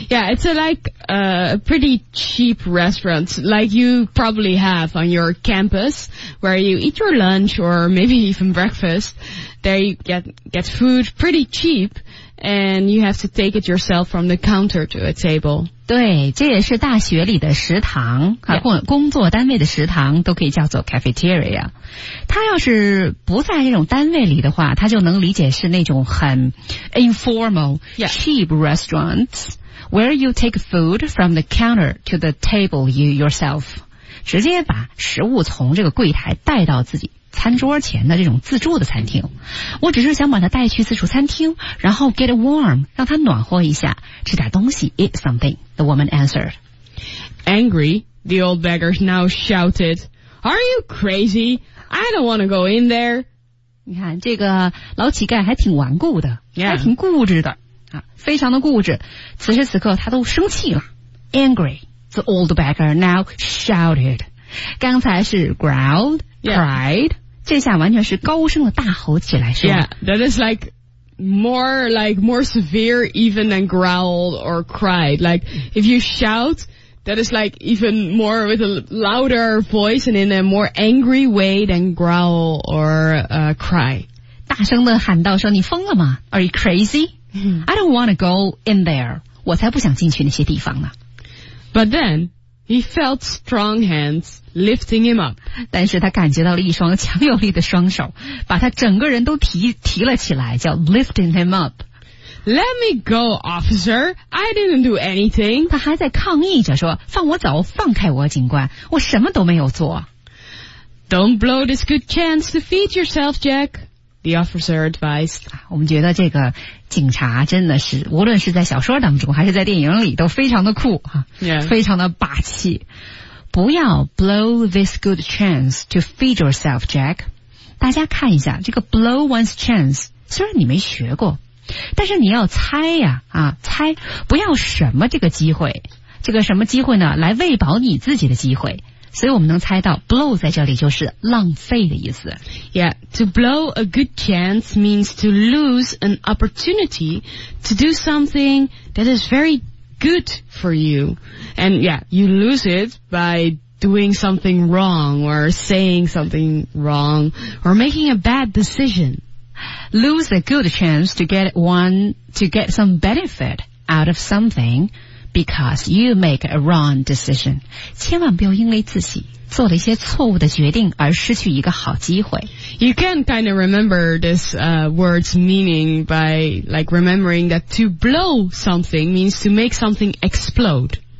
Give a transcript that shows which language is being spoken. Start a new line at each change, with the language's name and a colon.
English: Yeah, it's like a pretty cheap restaurant like you probably have on your campus where you eat your lunch or maybe even breakfast there you get food pretty cheap and you have to take it yourself from the counter to a table
Chinese: 对这也是大学里的食堂、
English: yeah.
Chinese: 工作单位的食堂都可以叫做 cafeteria 他要是不在这种单位里的话他就能理解是那种很 informal、
English: yeah. cheap restaurants where you take food from the counter to the table you yourself
Chinese: 直接把食物从这个柜台带到自己餐桌前的这种自助的餐厅我只是想把它带去自助餐厅然后
English: get warm
Chinese: 让它暖和一下吃点东西
English: eat something the woman answered angry the old beggar now shouted are you crazy I don't want to go in there
Chinese: 你看这个老乞丐还挺顽固的、
English: yeah.
Chinese: 还挺固执的、啊、非常的固执此时此刻他都生气了
English: angry the old beggar now shouted
Chinese: 刚才是 growled
English: Yeah.
Chinese: cried 这下完全是高声的大吼起来说
English: Yeah, that is like more severe even than growled or cried like if you shout that is like even more with a louder voice and in a more angry way than growl or cry
Chinese: 大声的喊道说你疯了吗
English: Are you crazy? I don't want to go in there
Chinese: 我才不想进去那些地方呢
English: But thenHe felt strong hands lifting him up.
Chinese: 但是他感觉到了一双强有力的双手把他整个人都提了起来叫
English: lifting him up. Let me go, officer. I didn't do anything.
Chinese: 他还在抗议着说，放我走，放开我，警官，我什么都没有做。
English: Don't blow this good chance to feed yourself, Jack, the officer advised.
Chinese: 我们觉得这个警察真的是，无论是在小说当中还是在电影里都非常的酷、
English: yeah.
Chinese: 非常的霸气。不要
English: blow this good chance to feed yourself, Jack.
Chinese: 大家看一下这个
English: blow one's chance,
Chinese: 虽然你没学过，但是你要猜呀、猜不要什么这个机会，这个什么机会呢，来喂饱你自己的机会。所以我们能猜到 blow 在这里就是浪费的意思。
English: Yeah, to blow a good chance means to lose an opportunity to do something that is very good for you. And yeah, you lose it by doing something wrong or saying something wrong or making a bad decision. Lose a good chance to get one, to get some benefit out of something. Because you make a wrong decision.
Chinese: 千万不要因为自己做了一些错误的决定而失去一个好机会。
English: You can kind of remember this, word's meaning by, like, remembering that to blow something means to make something explode.